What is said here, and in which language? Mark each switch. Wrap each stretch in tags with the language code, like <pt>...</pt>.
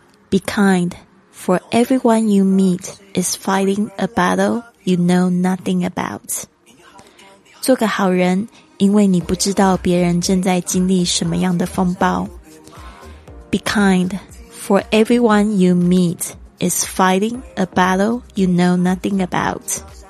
<en>Be kind, for everyone you meet is fighting a battle you know nothing about.</en> <zh>做个好人，因为你不知道别人正在经历什么样的风暴。</zh> <en>Be kind, for everyone you meet is fighting a battle you know nothing about.</en>